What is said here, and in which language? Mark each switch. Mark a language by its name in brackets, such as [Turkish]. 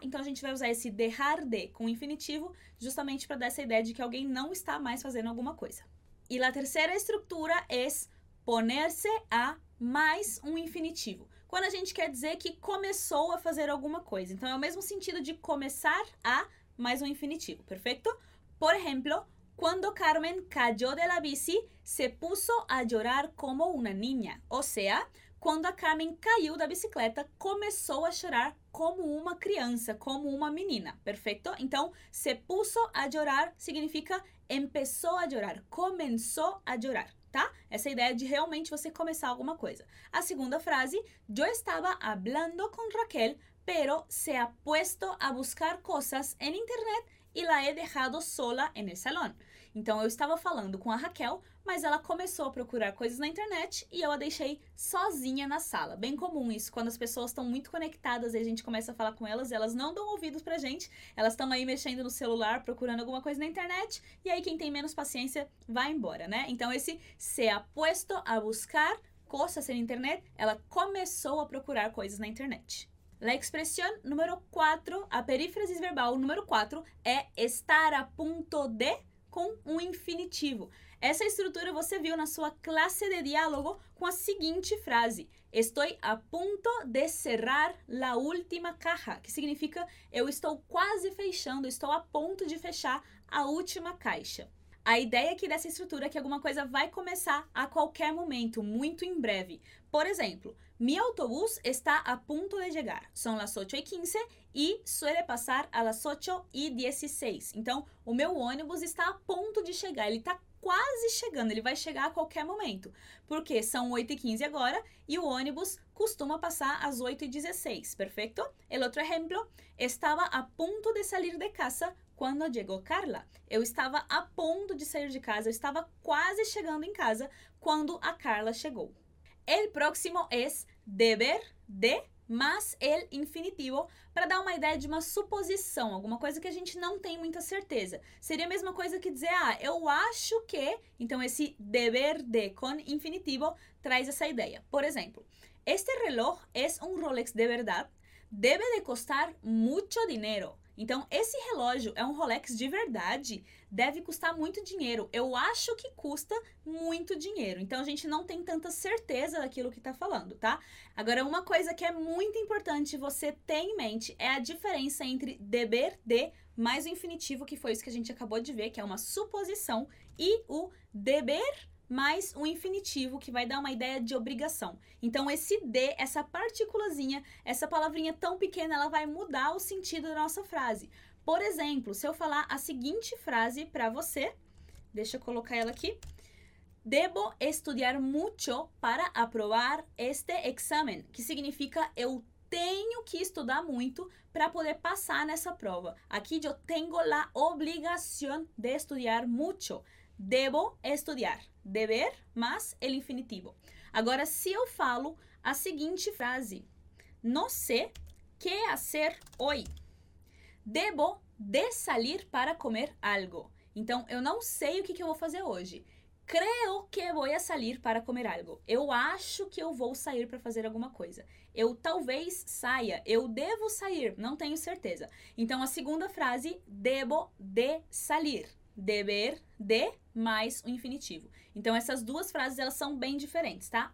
[Portuguese] Então, a gente vai usar esse dejar de com infinitivo justamente para dar essa ideia de que alguém não está mais fazendo alguma coisa. E a terceira estrutura é ponerse a mais um infinitivo. Quando a gente quer dizer que começou a fazer alguma coisa. Então, é o mesmo sentido de começar a mais um infinitivo, perfeito? [Spanish] Por exemplo, quando Carmen cayó de la bici, se puso a llorar como una niña. [Portuguese] Ou seja, quando a Carmen caiu da bicicleta, começou a chorar como uma criança, como uma menina, perfeito? Então, [Spanish] se puso a llorar [Portuguese] significa empezou a llorar, começou a llorar, tá? Essa ideia de realmente você começar alguma coisa. [Spanish] A segunda frase, yo estaba hablando con Raquel, pero se ha puesto a buscar cosas en internet y la he dejado sola en el salón. [Portuguese] Então, eu estava falando com a Raquel, mas ela começou a procurar coisas na internet e eu a deixei sozinha na sala. Bem comum isso, quando as pessoas estão muito conectadas e a gente começa a falar com elas, elas não dão ouvidos pra gente, elas estão aí mexendo no celular, procurando alguma coisa na internet, e aí quem tem menos paciência vai embora, né? Então, esse [Spanish] se ha puesto a buscar cosas en internet, [Portuguese] ela começou a procurar coisas na internet. [Spanish] La expresión número 4, [Portuguese] a perífrase verbal número 4, é estar a punto de com um infinitivo. Essa estrutura você viu na sua classe de diálogo com a seguinte frase. [Spanish] Estoy a punto de cerrar la última caja, [Portuguese] que significa eu estou quase fechando, estou a ponto de fechar a última caixa. A ideia aqui dessa estrutura é que alguma coisa vai começar a qualquer momento, muito em breve. [Spanish] Por exemplo, mi autobús está a punto de llegar. Son las 8:15 y suele pasar a las 8:16. [Portuguese] Então, o meu ônibus está a ponto de chegar. Ele está quase chegando. Ele vai chegar a qualquer momento. Porque são 8:15 agora e o ônibus costuma passar às 8:16. Perfeito? [Spanish] El otro ejemplo, estaba a punto de salir de casa [Portuguese] quando chegou [Spanish] Carla. [Portuguese] Eu estava a ponto de sair de casa. Eu estava quase chegando em casa quando a Carla chegou. [Spanish] El próximo es [Portuguese] deber de, [Spanish] mas el infinitivo, [Portuguese] para dar uma ideia de uma suposição, alguma coisa que a gente não tem muita certeza. Seria a mesma coisa que dizer, ah, eu acho que. Então, esse [Spanish] deber de con infinitivo [Portuguese] traz essa ideia. [Spanish] Por exemplo, este reloj es un Rolex de verdad. Debe de costar mucho dinero. [Portuguese] Então, esse relógio é um Rolex de verdade, deve custar muito dinheiro. Eu acho que custa muito dinheiro. Então, a gente não tem tanta certeza daquilo que está falando, tá? Agora, uma coisa que é muito importante você ter em mente é a diferença entre deber de mais o infinitivo, que foi isso que a gente acabou de ver, que é uma suposição, e o deber mais um infinitivo, que vai dar uma ideia de obrigação. Então, esse de, essa partículazinha, essa palavrinha tão pequena, ela vai mudar o sentido da nossa frase. Por exemplo, se eu falar a seguinte frase para você, deixa eu colocar ela aqui. [Spanish] Debo estudiar mucho para aprobar este examen, [Portuguese] que significa eu tenho que estudar muito para poder passar nessa prova. [Spanish] Aqui, yo tengo la obligación de estudiar mucho. Debo estudiar. Deber, [Portuguese] mas [Spanish] el infinitivo. [Portuguese] Agora, se eu falo a seguinte frase, [Spanish] no sé qué hacer hoy. Debo de salir para comer algo. [Portuguese] Então, eu não sei o que que eu vou fazer hoje. [Spanish] Creo que voy a salir para comer algo. [Portuguese] Eu acho que eu vou sair para fazer alguma coisa. Eu talvez saia. Eu devo sair. Não tenho certeza. Então, a segunda frase, [Spanish] debo de salir. [Portuguese] Deber de mais o infinitivo. Então, essas duas frases, elas são bem diferentes, tá?